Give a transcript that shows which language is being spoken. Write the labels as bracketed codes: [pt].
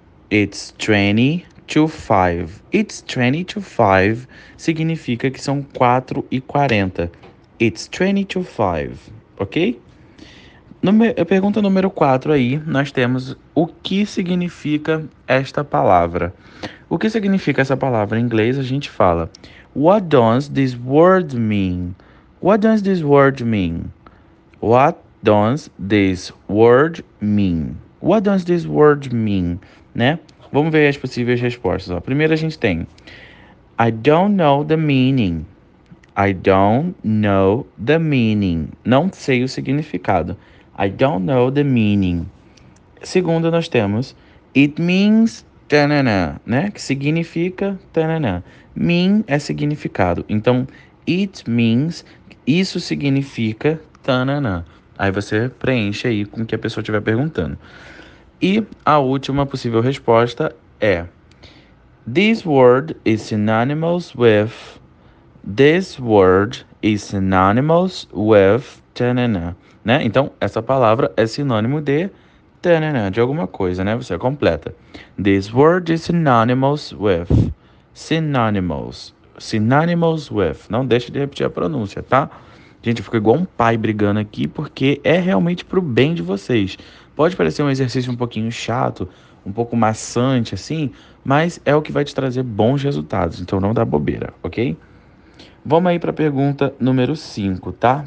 [en] It's 4:40. It's 4:40 [pt] significa que são 4:40. [en] It's 4:40. Ok? [pt] Pergunta número 4 aí, nós temos o que significa esta palavra? O que significa essa palavra em inglês? A gente fala, [en] what does this word mean? What does this word mean? What does this word mean? What does this word mean? [pt] Né? Vamos ver as possíveis respostas. Ó. Primeiro a gente tem, [en] I don't know the meaning. I don't know the meaning. [pt] Não sei o significado. [en] I don't know the meaning. [pt] Segundo, nós temos [en] it means tanana, né? [pt] Que significa tanana. Mean é significado. Então, [en] it means, [pt] isso significa tanana. Aí você preenche aí com o que a pessoa estiver perguntando. E a última possível resposta é: [en] This word is synonymous with. This word is synonymous with tanana. [pt] Né? Então, essa palavra é sinônimo de tanana, de alguma coisa, né? Você completa. [en] This word is synonymous with. Synonymous. Synonymous with. [pt] Não deixe de repetir a pronúncia, tá? Gente, eu fico igual um pai brigando aqui porque é realmente pro bem de vocês. Pode parecer um exercício um pouquinho chato, um pouco maçante assim, mas é o que vai te trazer bons resultados. Então, não dá bobeira, ok? Vamos aí para a pergunta número 5, tá?